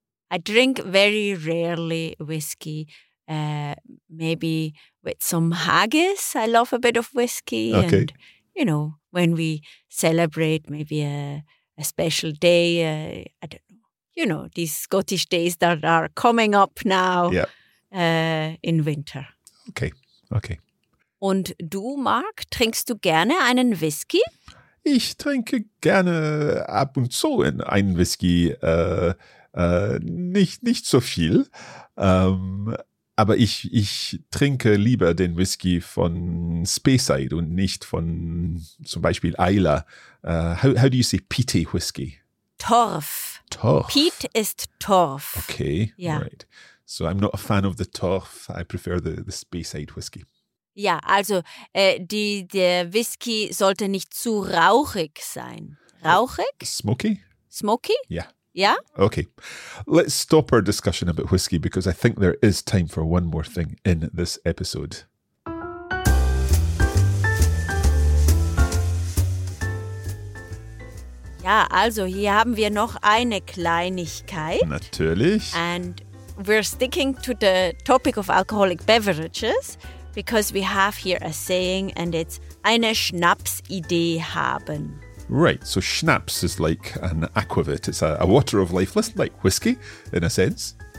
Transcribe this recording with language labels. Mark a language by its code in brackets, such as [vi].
[en] I drink very rarely whiskey. Maybe with some haggis. I love a bit of whiskey. Okay. And, you know, when we celebrate maybe a special day, I don't know, you know, these Scottish days that are coming up now. Yep. In winter. Okay, okay. [de] Und du, Mark, trinkst du gerne einen Whisky? Ich trinke gerne ab und zu einen Whisky. Nicht so viel. Aber ich trinke lieber den Whisky von Speyside und nicht von zum Beispiel Isla. [en] How do you say peaty whisky? [de] Torf. Peat ist Torf. [en] Okay, yeah. Right. So I'm not a fan of the Torf. I prefer the Speyside whisky. [de] Ja, also der Whisky sollte nicht zu rauchig sein. Rauchig? [en] Smoky? [de] Ja. [en] Yeah? Okay. Let's stop our discussion about whiskey because I think there is time for one more thing in this episode. [de] Ja, also hier haben wir noch eine Kleinigkeit. Natürlich. [en] And we're sticking to the topic of alcoholic beverages because we have here a saying and it's [de] eine Schnapsidee haben. [en] Right, so schnapps is like an aquavit. It's a water of life, like whiskey, in a sense.